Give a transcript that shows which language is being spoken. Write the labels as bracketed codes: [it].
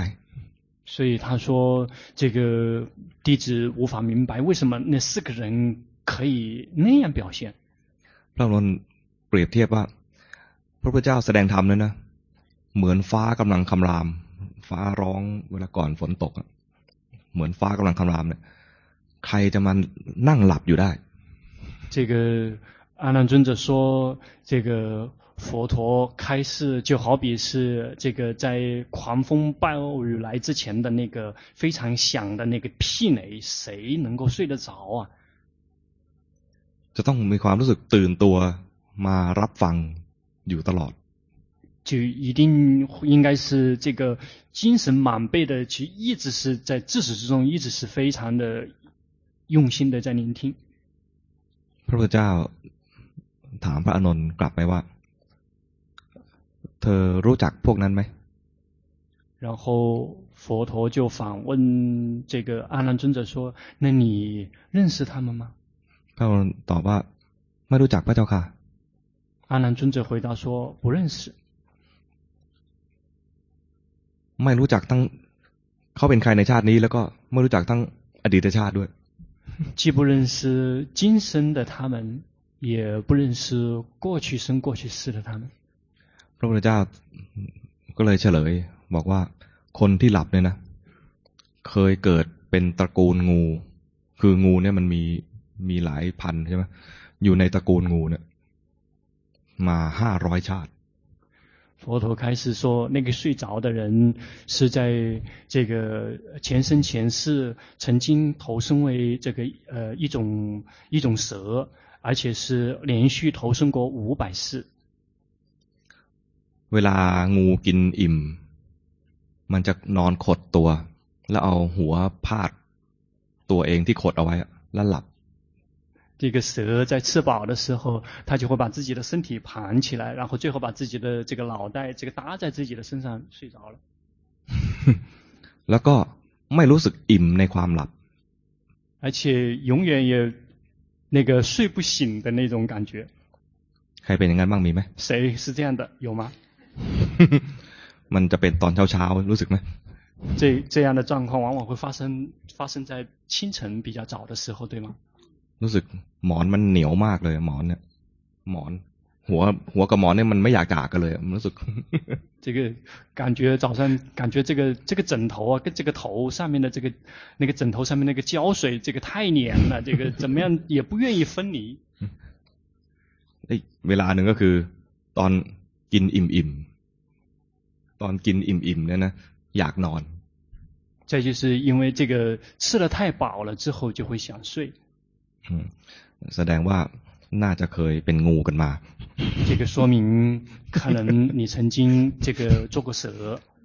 [zh] 。所以他说这个弟子无法明白为什么那四个人可以那样表现。 [th] พระองค์เปรียบเทียบว่าพระพุทธเจ้าแสดงธรรมนั้นนะเหมือนฟ้ากำลังคำรามฟ้าร้องเวลาก่อนฝนตกเหมือนฟ้ากำลังคำรามเนี่ยใครจะมานั่งหลับอยู่ได้ [zh] 这个阿难尊者说这个佛陀开示就好比是这个在狂风暴雨来之前的那个非常响的那个霹雷谁能够睡得着啊 [th] จะต้องมีความรู้สึกตื่นตัวมารับฟังอยู่ตลอด [zh] 就一定应该是这个精神满备的去一直是在自始至终一直是非常的用心的在聆听 [th] พระพุทธเจ้าถามพระอานนท์กลับไปว่าเธอรู้จักพวกนั้นไหม [zh] 然后佛陀就反问这个阿难尊者说那你认识他们吗 [th] พระองค์ตอบว่าไม่รู้จักพระเจ้าค่ะ [zh] 阿难尊者回答说不认识 [th] ไม่รู้จักทั้งเขาเป็นใครในชาตินี้แล้วก็ไม่รู้จักทั้งอดีตชาติด้วย [zh] 既不认识今生的他们也不认识过去生过去世的他们 [th] พระพุทธเจ้าก็เลยเฉลยบอกว่าคนที่หลับเนี่ยนะเคยเกิดเป็นตระกูลงูคืองูเนี่ยมันมีหลายพันใช่ไหมอยู่ในตระกูลงูเนี่ยมา500ชาติ [zh] 佛陀开始说那个睡着的人是在这个前生前世曾经投身为这个一种蛇而且是连续投身过500世 [th] เวลางูกินอิ่มมันจะนอนขดตัวแล้วเอาหัวพาดตัวเองที่ขดเอาไว้แล้วหลับ [zh] 这个蛇在吃饱的时候它就会把自己的身体盘起来然后最后把自己的这个脑袋这个搭在自己的身上睡着了 [th] แล้วก็ไม่รู้สึกอิ่มในความหลับ [zh] 而且永远也那个睡不醒的那种感觉 [th] ใครเป็นอย่างนั้นบ้างมีไหม [zh] 谁是这样的有吗 [th] มันจะเป็นตอนเช้าๆรู้สึกไหม [zh] 这样的状况往往会发生在清晨比较早的时候对吗 [th] รู้สึกหมอนมันเหนียวมากเลยหมอนเนี่ยหมอนหัวกับหมอนเนี่ยมันไม่อยากจากกันเลยรู้สึก [zh] 这个感觉早上感觉这个枕头啊跟这个头上面的这个那个枕头上面那个胶水这个太黏了这个怎么样也不愿意分离 [th] เวลาหนึ่งก็คือตอนกินอิ่มๆตอนกินอิ่มๆเนี่ยนะอยากนอน [zh] 这就是因为这个吃了太饱了之后就会想睡 [th] แสดงว่าน่าจะเคยเป็นงูกันมา [zh] 这个说明可能你曾经这个做过蛇